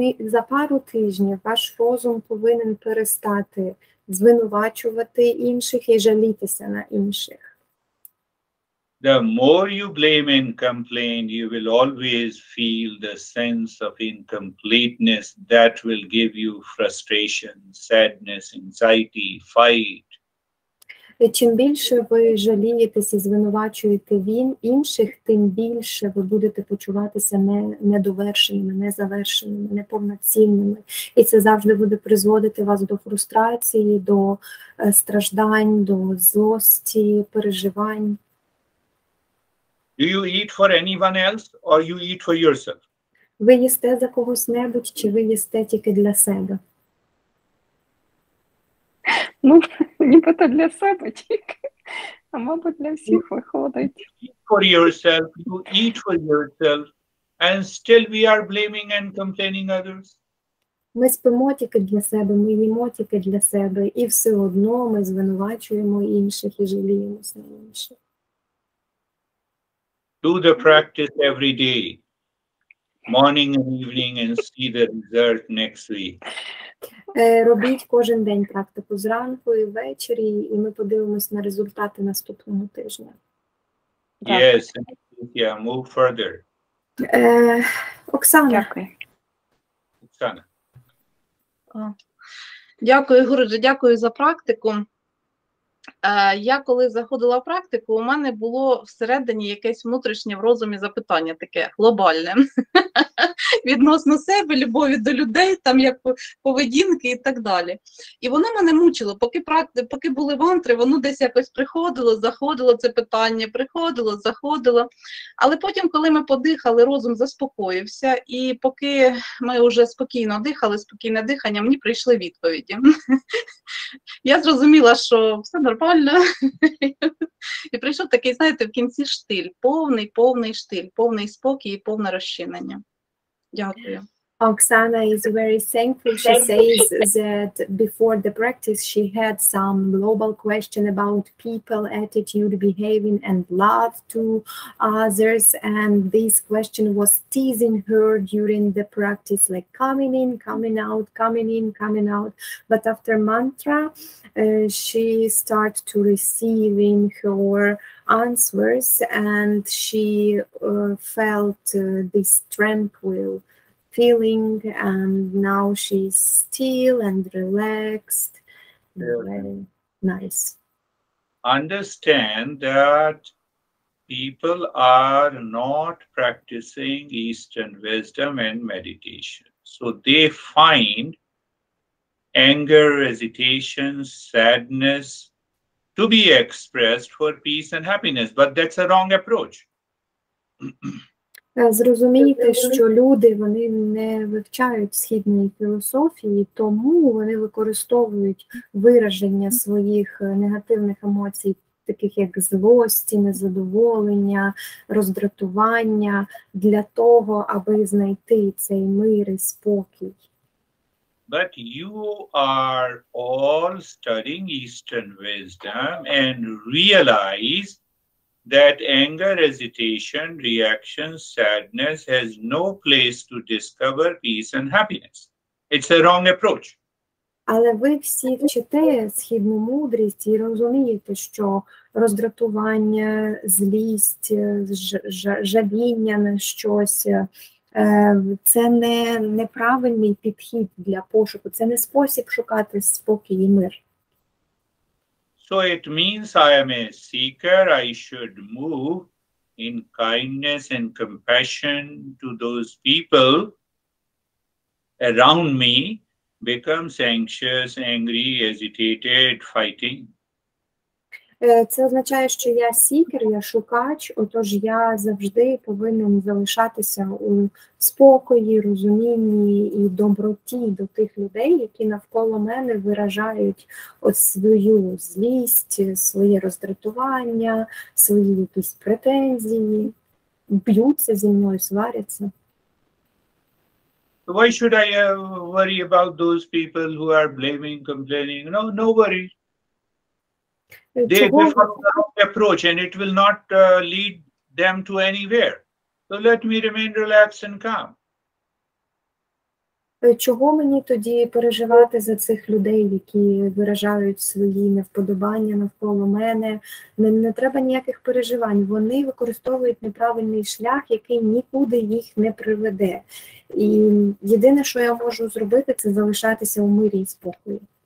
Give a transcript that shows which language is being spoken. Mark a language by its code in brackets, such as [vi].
[uk] За пару тижнів ваш розум повинен перестати звинувачувати інших і жалітися на інших. [en] The more you blame and complain, you will always feel the sense of incompleteness that will give you frustration, sadness, anxiety, fight. [uk] Чим більше ви жалієтеся і звинувачуєте інших, тим більше ви будете почуватися недовершеними, незавершеними, неповноцінними. І це завжди буде призводити вас до фрустрації, до страждань, до злості, переживань. [en] Do you eat for anyone else or you eat for yourself? [uk] Ви їсте за когось-небудь чи ви їсте тільки для себе? Ну, нібито для себе тільки, а мабуть для всіх виходить. [en] You eat for yourself, you eat for yourself, and still we are blaming and complaining others. [uk] Ми спимо тільки для себе, ми їмо тільки для себе, і все одно ми звинувачуємо інших і жаліємося на інших. [en] Do the practice every day, morning and evening, and see the result next week. [uk] Робіть кожен день практику зранку і ввечері, і ми подивимось на результати наступного тижня. [en] Yes, yeah, move further. [uk] Оксана. Дякую. Оксана. Дякую, Гуруджі, дякую за практику. Я коли заходила в практику, у мене було всередині якесь внутрішнє в розумі запитання таке глобальне відносно себе, любові до людей, там як поведінки і так далі. І воно мене мучило, поки були вантри, воно десь якось приходило, заходило це питання, приходило, заходило. Але потім, коли ми подихали, розум заспокоївся, і поки ми вже спокійно дихали, спокійне дихання, мені прийшли відповіді. Я зрозуміла, що все нормально. І прийшов такий, знаєте, в кінці штиль, повний штиль, повний спокій і повне розчинення. Дякую. [en] Оксана is very thankful. She says that before the practice she had some global question about people, attitude, behaving and love to others, and this question was teasing her during the practice, like coming in, coming out, coming in, coming out. But after mantra, she started to receiving her answers, and she felt this tranquil feeling, and now she's still and relaxed. Very nice. Understand that people are not practicing Eastern wisdom and meditation. So they find anger, hesitation, sadness to be expressed for peace and happiness, but that's a wrong approach. [uk] Зрозумійте, що люди, вони не вивчають східної філософії, тому вони використовують вираження своїх негативних емоцій, таких як злості, незадоволення, роздратування, для того, аби знайти цей мир і спокій. [en] But you are all studying Eastern wisdom and realize that anger, hesitation, reaction, sadness has no place to discover peace and happiness. It's a wrong approach. [uk] Але ви всі вчите східну мудрість і розумієте, що роздратування, злість, жаління на щось – це неправильний підхід для пошуку, це не спосіб шукати спокій і мир. [en] So it means I am a seeker, I should move in kindness and compassion to those people around me, becomes anxious, angry, hesitated, fighting. [uk] Це означає, що я сікер, я шукач, отож я завжди повинен залишатися у спокої, розумінні і доброті до тих людей, які навколо мене виражають ось свою злість, своє роздратування, свої якісь претензії, б'ються зі мною, сваряться. [en] Why should I worry about those people who are blaming, complaining? No, no worry. They follow the approach and it will not lead them to anywhere. So let me remain relaxed and calm. [uk] чого мені тоді переживати за цих людей, які виражають свої невподобання навколо мене? Не треба ніяких переживань. Вони використовують неправильний шлях, який нікуди їх не приведе. І єдине, що я можу зробити, це залишатися у мирі і спокої.